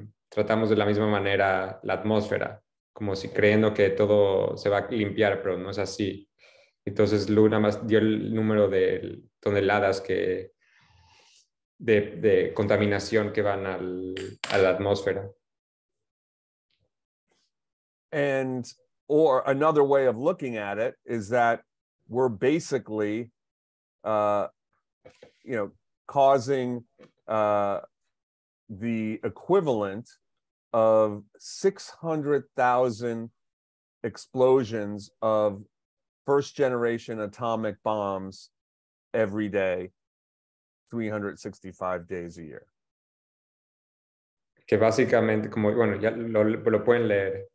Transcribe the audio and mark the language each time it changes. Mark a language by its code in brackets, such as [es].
[es] tratamos de la misma manera la atmósfera, como si creyendo que todo se va a limpiar, pero no es así. Entonces Luna más dio el número de toneladas que de contaminación que van a la atmósfera. [en] And or another way of looking at it is that we're basically you know, causing the equivalent of 600,000 explosions of first generation atomic bombs every day, 365 days a year. [es] Que básicamente, como, bueno, ya lo pueden leer.